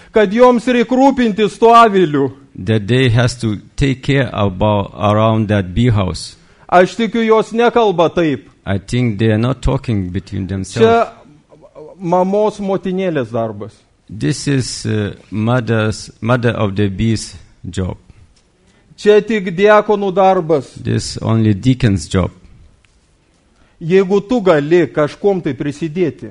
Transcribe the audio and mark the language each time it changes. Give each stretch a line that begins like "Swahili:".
Lithuanian: kad joms reik rūpintis tuo aviliu.
English: That they has to take care about around that bee house.
Lithuanian: Aš tikiu, jos nekalba taip.
English: I think they are not talking between themselves.
Lithuanian: Čia mamos motinėlės darbas.
English: This is mother of the bees job.
Lithuanian: Čia tik diakonų darbas.
English: This only deacon's job.
Lithuanian: Jeigu tu gali kažkom tai prisidėti.